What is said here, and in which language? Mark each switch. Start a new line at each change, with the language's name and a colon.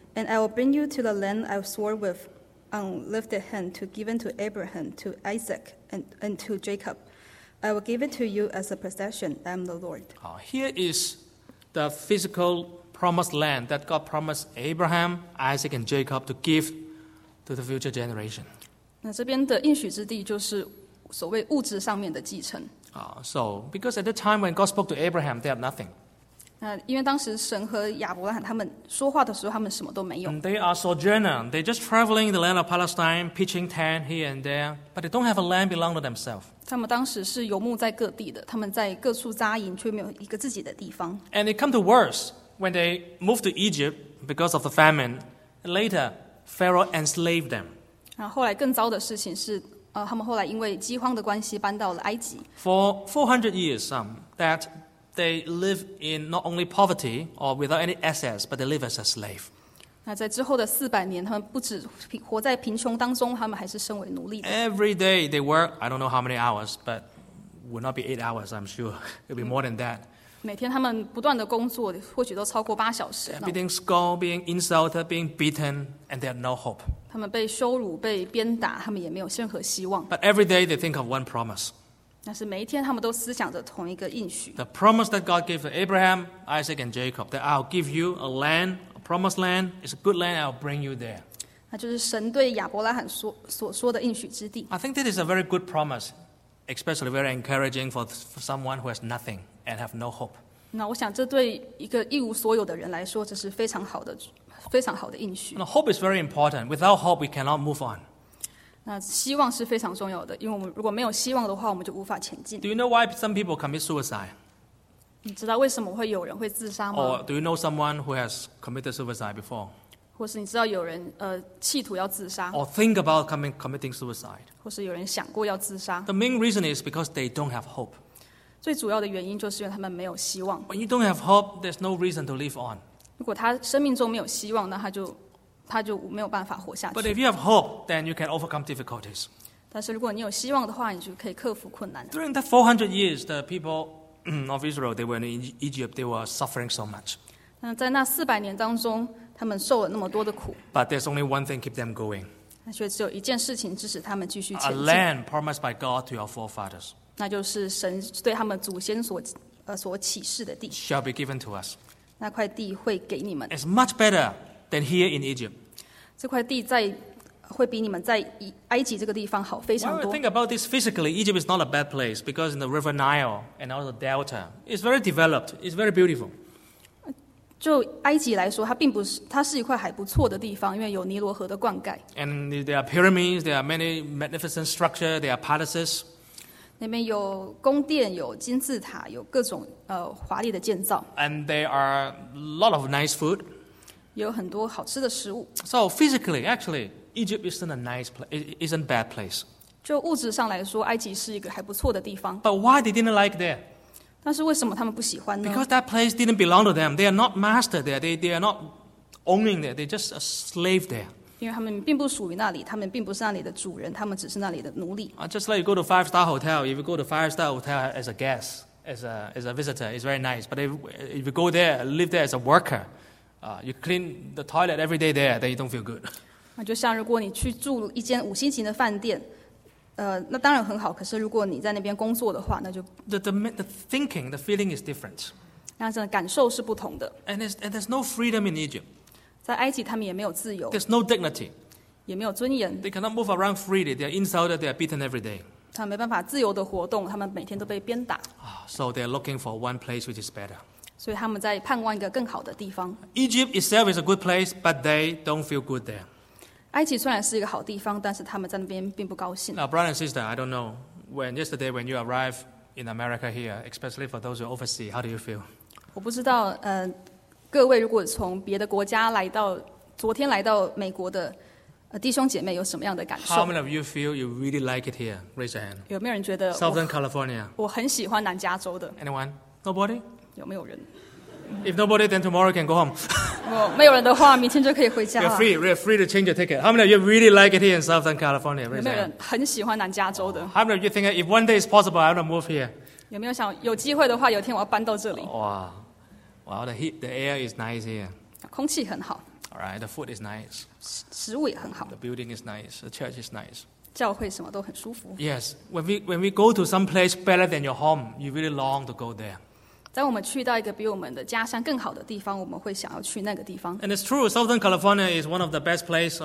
English: And I will bring you to the land I swore with unlifted hand to give to Abraham, to Isaac, and to Jacob. I will give it to you as a possession. I am the Lord. Here is the physical. Promised land that God promised Abraham, Isaac, and Jacob to give to the future generation.
Chinese: 那这边的应许之地就是所谓物质上面的继承。
English: So because at the time when God spoke to Abraham, they had nothing.
Chinese: 那因为当时神和亚伯拉罕他们说话的时候，他们什么都没有。
English: And they are sojourners. They're just traveling the land of Palestine, pitching tent here and there, but they don't have a land belong to themselves.
Chinese: 他们当时是游牧在各地的，他们在各处扎营，却没有一个自己的地方。
English: And it come to worse. When they moved to Egypt because of the famine, later Pharaoh enslaved them.
Chinese: 后来更糟的事情是，他们后来因为饥荒的关系搬到了埃及。
English: For 400 years, that they live in not only poverty or without any assets, but they live as a slave.
Chinese: 那在之后的400年，他们不止活在贫穷当中，他们还是身为奴隶的。
English: Every day they work, I don't know how many hours, but would not be 8 hours, I'm sure. It would be more than that.
Chinese: 每天他们不断的工作，或许都超过8小时。
English: Being scolded, being insulted, being beaten, and they have no hope.
Chinese: 他们被羞辱、被鞭打，他们也没有任何希望。
English: But every day they think of one promise.
Chinese: 但是每一天他们都思想着同一个应许。
English: The promise that God gave to Abraham, Isaac, and Jacob that I'll give you a land, a promised land. It's a good land. I'll bring you there.
Chinese: 那就是神对亚伯拉罕所说的应许之地。
English: I think that is a very good promise, especially very encouraging for someone who has nothing. And have no hope.
Chinese: 那我想，这对一个一无所有的人来说，这是非常好的、非常好的应许。
English: Now, hope is very important. Without hope, we cannot move on.
Chinese: 那希望是非常重要的，因为我们如果没有希望的话，我们就无法前进。
English: Do you know why some people commit suicide?
Chinese: 你知道为什么会有人会自杀吗
English: ？Or do you know someone who has committed suicide before?
Chinese: 或是你知道有人企图要自杀
English: ？Or think about committing suicide?
Chinese: 或是有人想过要自杀
English: ？The main reason is because they don't have hope.
Chinese: 最主要的原因就是因为他们没有希望。
English: When you don't have hope, there's no reason to live on.
Chinese: 如果他生命中没有希望，那他就没有办法活下去。
English: But if you have hope, then you can overcome difficulties.
Chinese: 但是如果你有希望的话，你就可以克服困难。
English: During the 400 years, the people of Israel, they were in Egypt, they were suffering so much.
Chinese: 那在那四百年当中，他们受了那么多的苦。
English: But there's only one thing keep them going.
Chinese: 那却只有一件事情支持他们继续前进。
English: A land promised by God to our forefathers.
Chinese: 那就是神对他们祖先所启示的地。
English: Shall be given to us.
Chinese: 那块地会给你们。
English: It's much better than here in Egypt.
Chinese: 这块地在会比你们在埃及这个地方好非常多。
English: Well, think about this physically. Egypt is not a bad place because in the River Nile and all the delta, it's very developed. It's very beautiful.
Chinese: 就埃及来说，它是一块还不错的地方，因为有尼罗河的灌溉。
English: And there are pyramids. There are many magnificent structures. There are palaces.
Chinese: 那边有宫殿，有金字塔，有各种华丽的建造。
English: And there are a lot of nice food.
Chinese: 有很多好吃的食物。
English: So physically, actually. Egypt isn't a nice place. It isn't a bad place.
Chinese: 就物质上来说，埃及是一个还不错的地方。
English: But why they didn't like there?
Chinese: 但是为什么他们不喜欢呢？
English: Because that place didn't belong to them. They are not master there. They are not owning there. They're just a slave there.
Chinese: 因为他们并不属于那里，他们并不是那里的主人，他们只是那里的奴隶。
English: Just like you go to five-star hotel, if you go to five-star hotel as a guest, as a visitor, it's very nice. But if you go there, live there as a worker, you clean the toilet every day there, then you don't feel good.
Chinese: 就像如果你去住一间五星级的饭店，那当然很好。可是如果你在那边工作的话，那就
English: the thinking, the feeling is different.
Chinese: 那这感受是不同的。
English: And there's no freedom in Egypt.
Chinese: 在埃及，他们也没有自由。
English: There's no dignity.
Chinese: 也没有尊严。
English: They cannot move around freely. They are insulted. They are beaten every day.
Chinese: 他们没办法自由的活动，他们每天都被鞭打。
English: So they are looking for one place which is better.
Chinese: 所以他们在盼望一个更好的地方。
English: Egypt itself is a good place, but they don't feel good there.
Chinese: 埃及虽然是一个好地方，但是他们在那边并不高兴。
English: Now, brother and sister, I don't know when yesterday when you arrive in America here, especially for those who are overseas, how do you feel?
Chinese: 我不知道，各位如果从别的国家来到，昨天来到美国的弟兄姐妹有什么样的感受
English: ？How many of you feel you really like it here? Raise your hand.
Chinese: 有没有人觉得
English: Southern California?
Chinese: 我很喜欢南加州的。
English: Anyone? Nobody?
Chinese: 有没有人？
English: If nobody, then tomorrow can go home.
Chinese: 没有人的话，明天就可以回家了。
English: You're free. We're free to change your ticket. How many of you really like it here in Southern California?
Chinese: 有没有人很喜欢南加州的
English: ？How many of you think if one day is possible, I want to move here?
Chinese: 有没有想有机会的话，有一天我要搬到这里？
English: 哇 ，Wow, the heat, the air is nice here.
Chinese: 空气很好。
English: All right, the food is nice.
Chinese: 食物也很好。
English: The building is nice. The church is nice.
Chinese: 教会什么都很舒服。
English: Yes, when we go to some place better than your home, you really long to go there.
Chinese: 当我们去到一个比我们的家乡更好的地方，我们会想要去那个地方。
English: And it's true, Southern California is one of the best places.